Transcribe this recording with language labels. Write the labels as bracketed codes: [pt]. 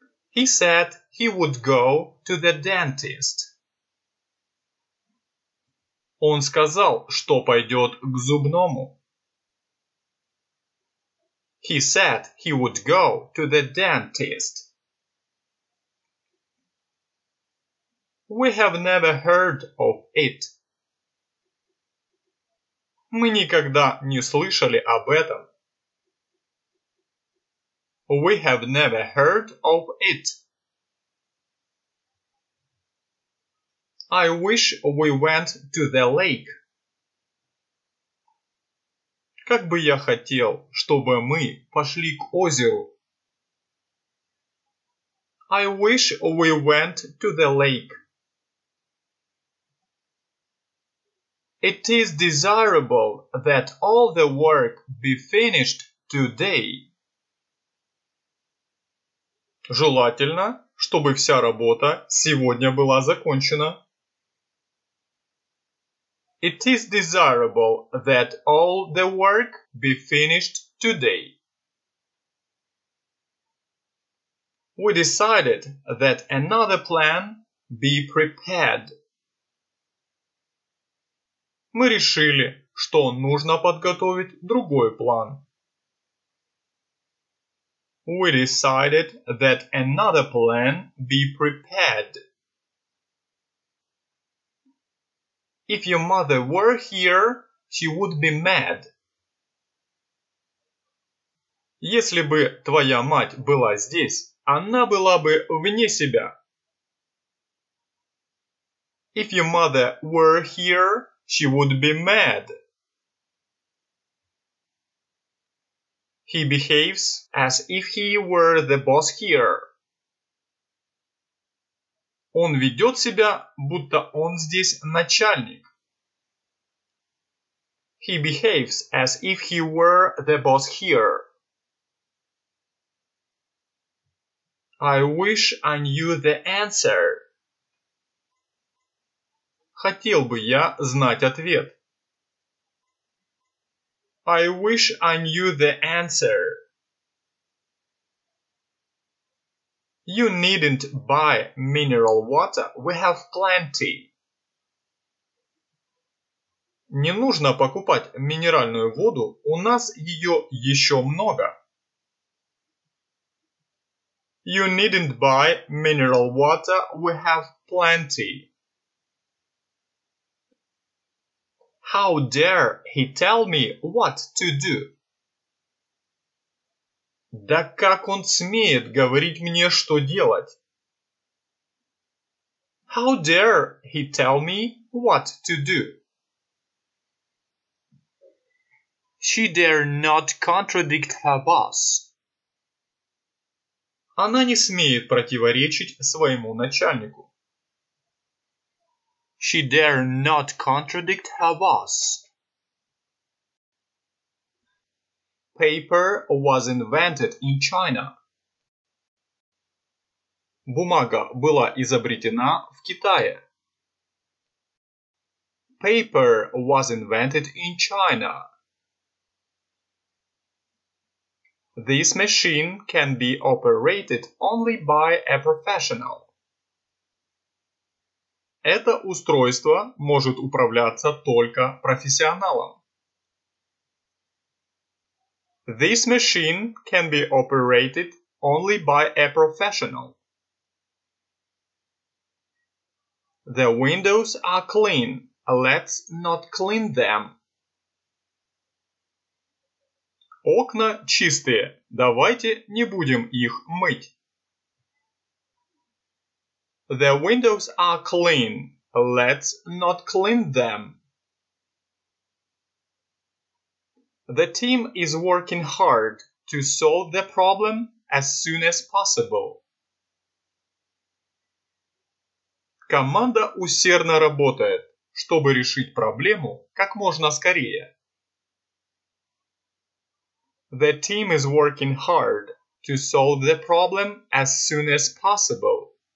[en] He said he would go to the dentist. [ru] Он сказал, что пойдет к зубному. [en] He said he would go to the dentist. We have never heard of it. [ru] Мы никогда не слышали об этом. [en] We have never heard of it. I wish we went to the lake. [ru] Как бы я хотел, чтобы мы пошли к озеру. [en] I wish we went to the lake. It is desirable that all the work be finished today. [ru] Желательно, чтобы вся работа сегодня была закончена. [en] It is desirable that all the work be finished today. We decided that another plan be prepared. [ru] Мы решили, что нужно подготовить другой план. [en] We decided that another plan be prepared. If your mother were here, she would be mad. [ru] Если бы твоя мать была здесь, она была бы вне себя. [en] If your mother were here, She would be mad. He behaves as if he were the boss here. [ru] Он ведет себя, будто он здесь начальник. [en] He behaves as if he were the boss here. I wish I knew the answer. [ru] Хотел бы я знать ответ. [en] I wish I knew the answer. You needn't buy mineral water. We have plenty. [ru] Не нужно покупать минеральную воду. У нас ее еще много. [en] You needn't buy mineral water. We have plenty. How dare he tell me what to do? [ru] Да как он смеет говорить мне, что делать? [en] How dare he tell me what to do? She dare not contradict her boss. [ru] Она не смеет противоречить своему начальнику. [en] She dare not contradict her boss. Paper was invented in China. [ru] Бумага была изобретена в Китае. [en] Paper was invented in China. This machine can be operated only by a professional. [ru] Это устройство может управляться только профессионалом. [en] This machine can be operated only by a professional. The windows are clean. Let's not clean them. [ru] Окна чистые. Давайте не будем их мыть. [en] The windows are clean. Let's not clean them. The team is working hard to solve the problem as soon as possible. [ru] Команда усердно работает, чтобы решить проблему как можно скорее. [en] The team is working hard to solve the problem as soon as possible.